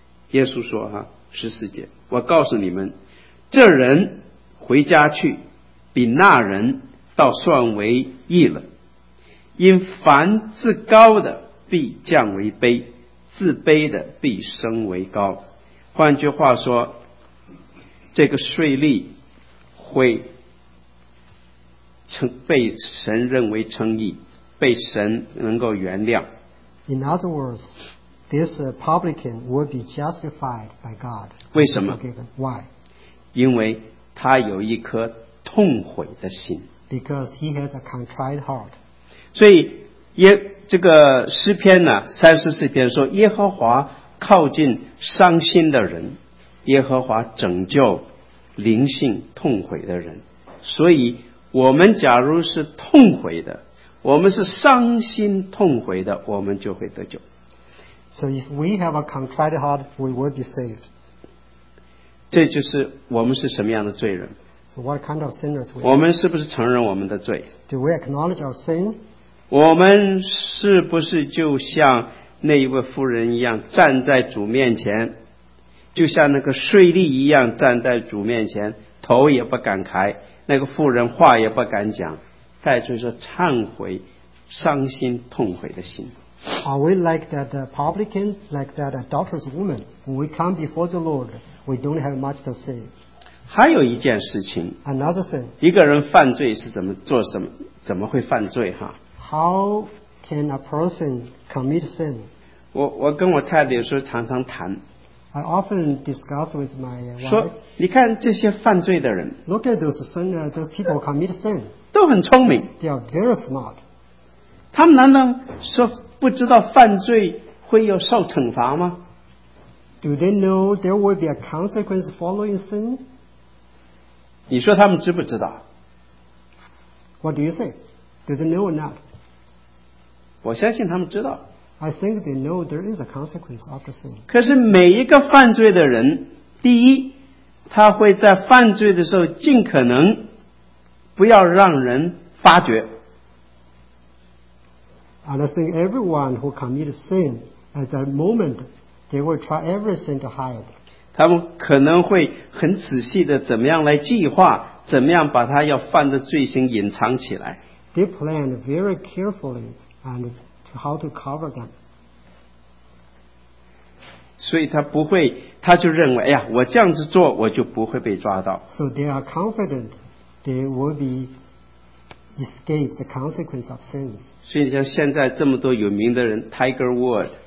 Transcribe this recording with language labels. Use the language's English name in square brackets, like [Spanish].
[Chinese] 耶稣说十四节，我告诉你们，这人回家去比那人倒算为义了，因凡自高的必降为卑，自卑的必升为高。换句话说，这个税吏会被神认为称义，被神能够原谅。 [English] In other words, this publican will be justified by God. [Chinese] 为什么？ [English] Why? [Chinese] 因为他有一颗痛悔的心。 [English] Because he has a contrite heart. [Chinese] 所以这个诗篇呢，三十四篇说，耶和华靠近伤心的人，耶和华拯救灵性痛悔的人。所以我们假如是痛悔的，我们是伤心痛悔的，我们就会得救。 [English] So if we have a contrite heart, we will be saved. [Chinese] 这就是我们是什么样的罪人。 [English] So what kind of sinners we are? [Chinese] 我们是不是承认我们的罪？ [English] Do we acknowledge our sin? [Chinese] 我们是不是就像那一位妇人一样站在主面前，就像那个税吏一样站在主面前，头也不敢抬，那个妇人话也不敢讲，带出说忏悔、伤心、痛悔的心。 [English] Are we like that publican, like that adulterous woman? When we come before the Lord, we don't have much to say. [Chinese] 还有一件事情。 [English] Another thing. [Chinese] 一个人犯罪是怎么做什么？怎么会犯罪哈 [English] ？How can a person commit sin? [Chinese] 我跟我太太有时候常常谈。 [English] I often discuss with my wife. [Chinese] 说你看这些犯罪的人。 [English] Look at those sin, those people commit sin. [Chinese] 都很聪明。 [English] They are very smart. [Chinese] 他们难道说不知道犯罪会要受惩罚吗 [English] ？Do they know there will be a consequence following sin? [Chinese] 你说他们知不知道 [English] ？What do you say? Do they know or not? [Chinese] 我相信他们知道。 [English] I think they know there is a consequence after sin. [Chinese] 可是每一个犯罪的人，第一，他会在犯罪的时候尽可能不要让人发觉。 [English] And I think everyone who commits sin at that moment, they will try everything to hide. [Chinese] 他们可能会很仔细的怎么样来计划，怎么样把他要犯的罪行隐藏起来。 [English] They plan very carefully and how to cover them. [Chinese] 所以他不会，他就认为，哎呀，我这样子做，我就不会被抓到。 [English] So they are confident they will be escape the consequence of sins. [Chinese] 所以像现在这么多有名的人 ，Tiger Woods，